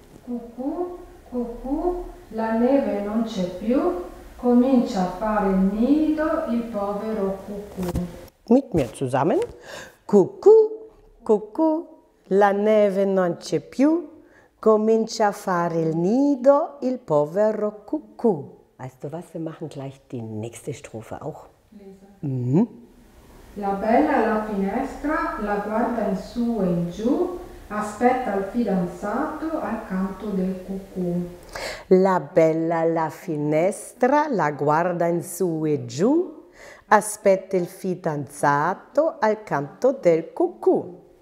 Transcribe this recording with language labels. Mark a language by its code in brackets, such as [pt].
[it] Cucù, cucù, la neve non c'è più. Comincia a fare il nido il povero cucù. [de] Mit mir zusammen. [it] Cucù, cucù, la neve non c'è più. Comincia a fare il nido il povero cucù. [de] Weißt du was? Wir machen gleich die nächste Strophe auch. [it] La bella alla finestra la guarda in su e in giù, aspetta il fidanzato al canto del cucù. La bella alla finestra la guarda in su e giù, aspetta il fidanzato al canto del cucù.